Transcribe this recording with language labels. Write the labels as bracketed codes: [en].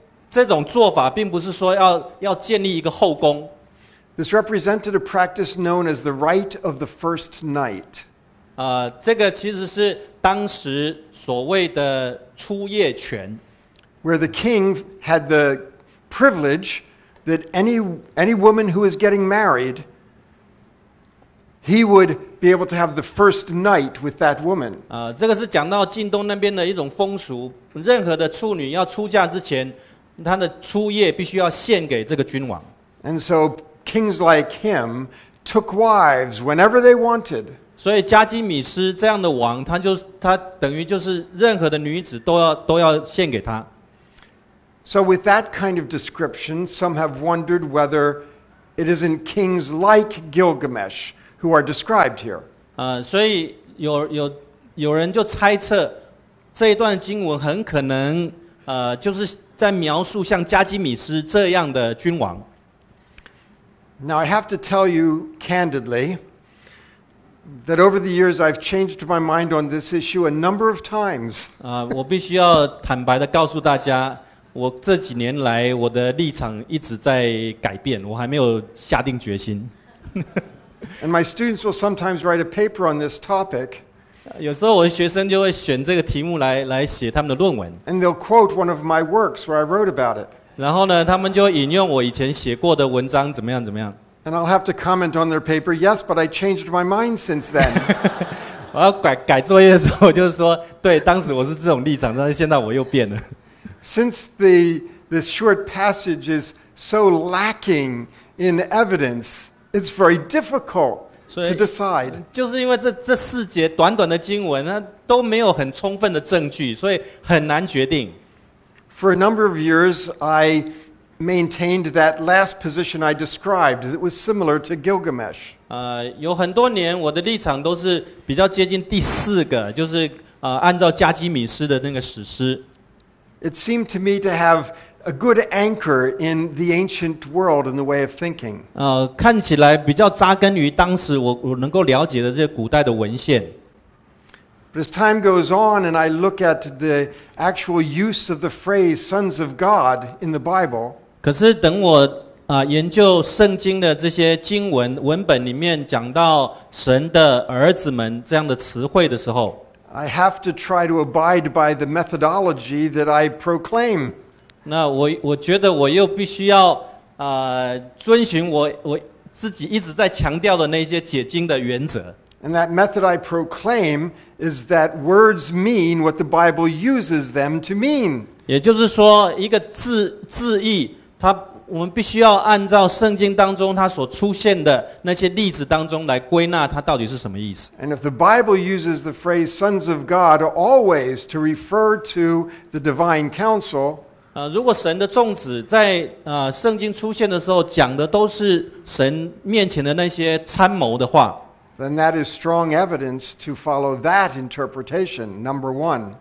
[zh] 这种做法并不是说要建立一个后宫。 [en] This represented a practice known as the rite of the first night. [zh] 这个其实是当时所谓的初夜权。 [en] Where the king had the privilege. That any woman who is getting married, he would be able to have the first night with that woman. [zh] 这个是讲到近东那边的一种风俗，任何的处女要出嫁之前，她的初夜必须要献给这个君王。 [en] And so kings like him took wives whenever they wanted. [zh] 所以加基米斯这样的王，他等于就是任何的女子都要献给他。 [en] So with that kind of description, some have wondered whether it isn't kings like Gilgamesh who are described here. [zh] 所以有人就猜测这一段经文很可能就是在描述像加基米斯这样的君王。 [en] Now I have to tell you candidly that over the years I've changed my mind on this issue a number of times. [zh] 我必须要坦白地告诉大家。我这几年来，我的立场一直在改变，我还没有下定决心。 [en] And my students will sometimes write a paper on this topic. [zh] 有时候我的学生就会选这个题目来写他们的论文。 [en] And they'll quote one of my works where I wrote about it. [zh] 然后呢，他们就引用我以前写过的文章，怎么样怎么样。 [en] And I'll have to comment on their paper. Yes, but I changed my mind since then. [zh] 我要改作业的时候，就是说，对，当时我是这种立场，但是现在我又变了。 [en] Since this short passage is so lacking in evidence, it's very difficult to decide. [zh] 就是因为这四节短短的经文，它都没有很充分的证据，所以很难决定。 [en] For a number of years, I maintained that last position I described that was similar to Gilgamesh. [zh] 有很多年我的立场都是比较接近第四个，就是按照加基米斯的那个史诗。 [en] It seemed to me to have a good anchor in the ancient world in the way of thinking. [zh] 看起来比较扎根于当时我能够了解的这些古代的文献。 [en] But as time goes on and I look at the actual use of the phrase sons of God in the Bible, [zh] 可是等我研究圣经的这些经文文本里面讲到神的儿子们这样的词汇的时候， [en] I have to try to abide by the methodology that I proclaim. [zh] 那 我觉得我又必须要遵循 我自己一直在强调的那些解经的原则。 [en] And that method I proclaim is that words mean what the Bible uses them to mean. [zh] 也就是说一个 字义它我们必须要按照圣经当中它所出现的那些例子当中来归纳它到底是什么意思。 [en] And if the Bible uses the phrase sons of God always to refer to the divine counsel, [zh] 如果神的众子在圣经出现的时候讲的都是神面前的那些参谋的话， [en] then that is strong evidence to follow that interpretation, number one.